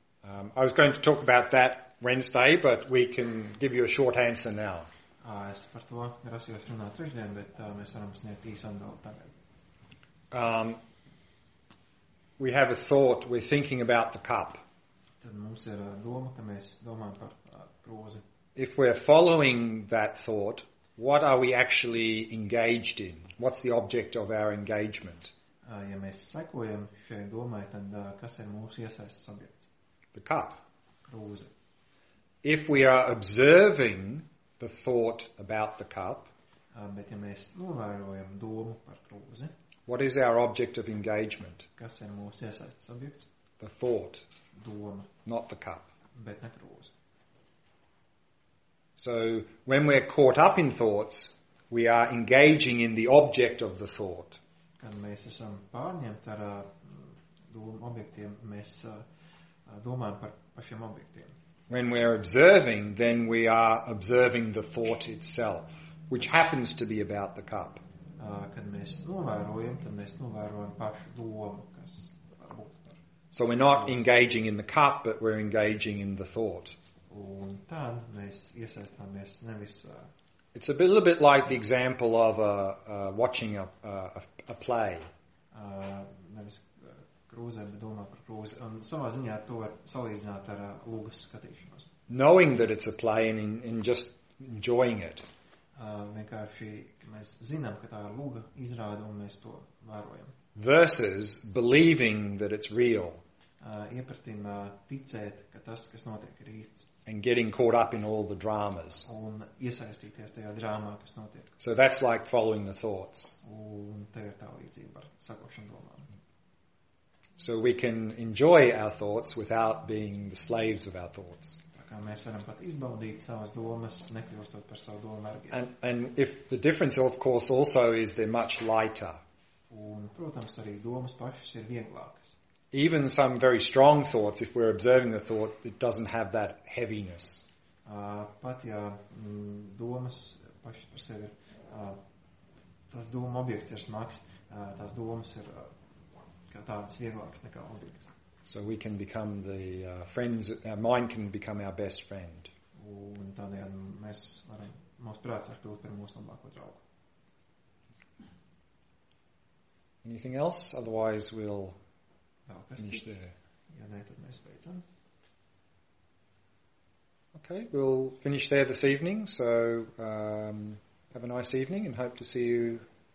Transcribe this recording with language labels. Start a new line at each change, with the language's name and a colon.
English: I was going to talk about that Wednesday, but we can give you a short answer now.
Latvian: Es par to grasījos runāt trešdien, bet mēs varam sniegt īsu atbildi tagad.
English: We have a thought, we're thinking about the cup.
Latvian: Tad mums ir doma, ka mēs domājam par krūzi.
English: If we're following that thought, what are we actually engaged in? What's the object of our engagement?
Latvian: Ja mēs sekojam šai domai, tad kas ir mūsu iesaistes objekts?
English: The cup.
Latvian: Krūze.
English: If we are observing the thought about the cup,
Latvian: bet ja mēs novērojam domu par krūzi,
English: what is our object of engagement?
Latvian: Kas ir mūsu iesaistes objekts?
English: The thought.
Latvian: Doma.
English: Not the cup.
Latvian: Bet ne krūze.
English: So when we're caught up in thoughts, we are engaging in the object of the thought.
Latvian: kad mēs esam pārņemti ar objektiem, mēs domājam par pašiem objektiem.
English: When we are observing, then we are observing the thought itself, which happens to be about the cup.
Latvian: Kad mēs novērojam, tad mēs novērojam pašu domu, kas varbūt par.
English: So we're not engaging in the cup, but we're engaging in the thought.
Latvian: Un tad mēs iesaistāmies nevis.
English: It's a little bit like the example of watching a play.
Latvian: Nevis krūzē, bet domā par krūzi. Un savā ziņā to var salīdzināt ar lugas skatīšanos.
English: Knowing that it's a play and just enjoying it.
Latvian: Vienkārši mēs zinām, ka tā ir luga izrāda un mēs to vērojam.
English: Versus believing that it's real.
Latvian: Iepratim ticēt, ka tas, kas notiek, ir īsts.
English: And getting caught up in all the dramas.
Latvian: Un iesaistīties tajā drāmā, kas notiek.
English: So that's like following the thoughts.
Latvian: Un tā ir tā līdzība ar sakošanu domām.
English: So we can enjoy our thoughts without being the slaves of our thoughts.
Latvian: Tā kā mēs varam pat izbaudīt savas domas, nekļūstot par savu domu vergiem.
English: And if the difference of course also is they're much lighter.
Latvian: Un, protams, arī domas pašas ir vieglākas.
English: Even some very strong thoughts, if we're observing the thought, it doesn't have that heaviness.
Latvian: Pat ja domas paši par sevi ir, tās doma objekts ir smags, tās domas ir kā tādas vieglākas nekā objekts.
English: So we can become the friends, our mind can become our best friend.
Latvian: Un tādēļ mēs varam, mūsu prāts var kļūt par mūsu labāko draugu.
English: Anything else? Otherwise we'll finish there.
Latvian: Ja ne, tad mēs beidzam.
English: Okay, we'll finish there this evening, so have a nice evening and hope to see you